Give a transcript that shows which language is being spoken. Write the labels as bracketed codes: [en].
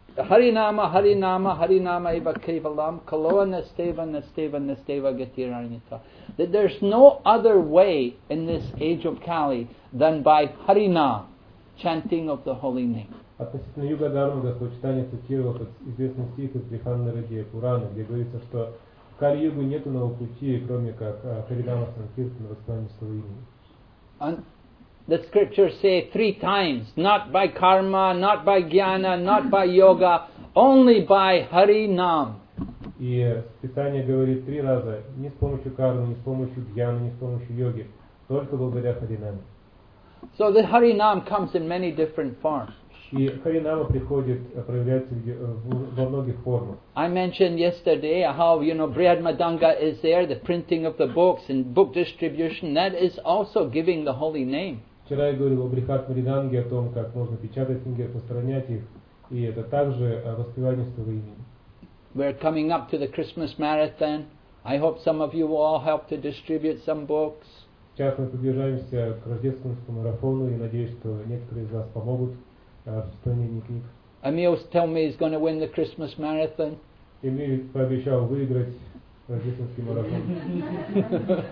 [sa] Харинама, Харинама, Харинама Ива Кевалам, Калоа Настева, Настева, Настева Гатираньята. [en] That there's no other way in this age of Kali than by Harina, chanting of the holy name. [ru] Относительно Юга Дарма, Господь Читания цитировал этот известный стих из Брихана Радия Пурана, где говорится, что в Кали-Югу нету нового пути, кроме как Харинама Санкиртана, восстание своего имени. [en] The scriptures say three times, not by karma, not by jnana, not by yoga, only by Hari Nam. [ru] И Писание говорит три раза, не с помощью кармы, не с помощью джьяны, не с помощью йоги, только благодаря Hari Nam. [en] So the Hari Nam comes in many different forms. [ru] И Hari Nama приходит, проявляется во многих формах. [en] I mentioned yesterday how, you know, Brihadmadanga is there, the printing of the books and book distribution, that is also giving the holy name. [ru] Вчера я говорил о Брихадмадиданге, о том, как можно печатать книги, распространять их, и это также воспевание своего имени. [en] We're coming up to the Christmas marathon. I hope some of you will all help to distribute some books. [ru] Сейчас мы приближаемся к рождественскому марафону, и надеюсь, что некоторые из вас помогут. [en] Emil told me he's going to win the Christmas marathon. [ru] Emil пообещал выиграть рождественский марафон.